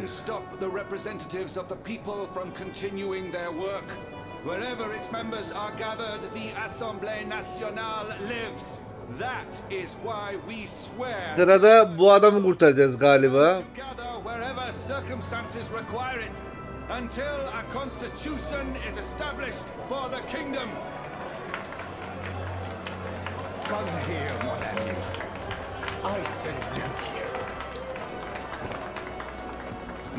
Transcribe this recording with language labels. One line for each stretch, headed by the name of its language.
English: Can stop the representatives of the people from continuing their work. Wherever its members are gathered, the Assemblée Nationale lives. That is why we swear.
Turkish: Sırada bu adamı kurtaracağız galiba.
English: Together wherever circumstances require it, until a constitution is established for the kingdom. Come here,
French: mon ami.
English: I salute you.